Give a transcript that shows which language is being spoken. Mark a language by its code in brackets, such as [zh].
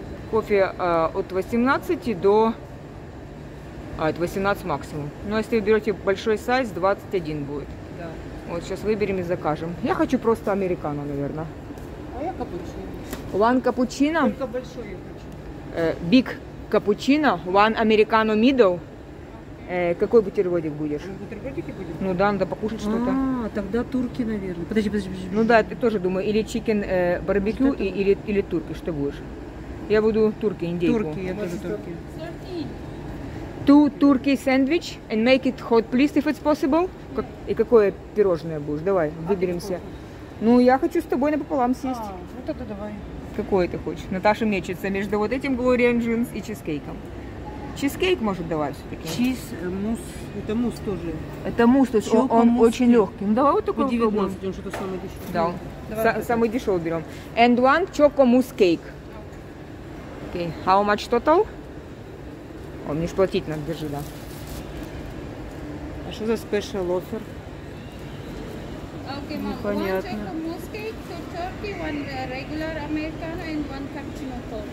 [ru] Кофе от 18 до... А, это 18 максимум. Ну, а если вы берете большой сайз, 21 будет. Да. Вот сейчас выберем и закажем. Я хочу просто американо, наверное. А я капучино. [en] One капучино? [ru] Только большой я хочу. [en] Big капучино, one американо middle. [ru] Какой бутербродик будешь? Бутербродики будем? Ну да, надо покушать что-то. А, тогда турки, наверное. Подожди. Ну да, ты тоже думай. Или чикен барбекю, или турки, что будешь. Я буду турки, индейку. Турки, я тоже турки. [en] Two turkey sandwich and make it hot, please, if it's possible. [ru] Как, и какое пирожное будешь? Давай, выберемся. Ну, я хочу с тобой напополам съесть. А, вот это давай. Какое ты хочешь? Наташа мечется между вот этим Glory and Jeans и чизкейком. Чизкейк может давать все-таки. Чиз, мусс, это мусс тоже. Это мусс, то есть он очень легкий. Ну, давай вот такой. По 19, он что-то самый дешевый. Да, самый дешевый берем. [en] And one choco mousse cake. [ru] Окей, [en] how much total? [ru] О, мне ж платить надо, держи, да. А что за [en] special offer? [ru] Okay, непонятно. [en] One mousse cake for turkey, one regular americano and one cappuccino cold.